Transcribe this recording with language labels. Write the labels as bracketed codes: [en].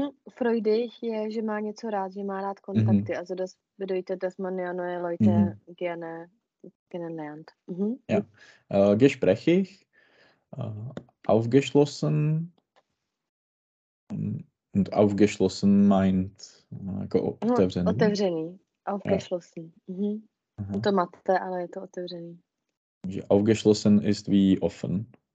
[cs] Freudig je, že má něco rád, že má rád kontakty. [de] Also das bedeutet, dass man ja neue Leute gerne kennenlernt. Ja, gesprächig, aufgeschlossen. Und aufgeschlossen meint geöffnet. [cs] Otevřený, [de] Ja. aufgeschlossen. [cs] To máte, ale je to otevřený. [de] Že aufgeschlossen ist wie offen.